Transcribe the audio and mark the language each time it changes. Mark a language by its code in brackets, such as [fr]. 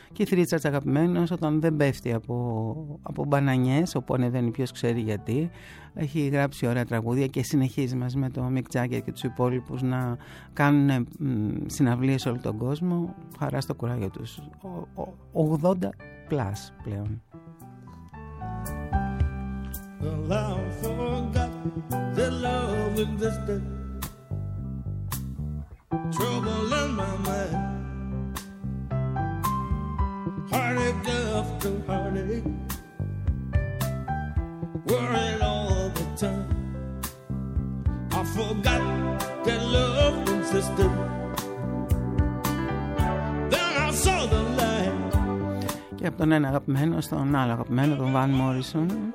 [el] Keith Richards αγαπημένος, όταν δεν πέφτει από μπανανιές, όπου ανεβαίνει, ποιος ξέρει γιατί. Έχει γράψει ωραία τραγούδια και συνεχίζει μαζί με τον Mick Jagger και τους υπόλοιπους να κάνουν συναυλίες σε όλο τον κόσμο. Χαρά στο κουράγιο τους. 80 plus πλέον. [en] allow for God the love in this day. Trouble on my mind, heartache after heartache, worried all the time. I forgot that love existed. Then I saw the light. [el] Και από τον ένα αγαπημένο στον άλλο αγαπημένο, τον Van Morrison.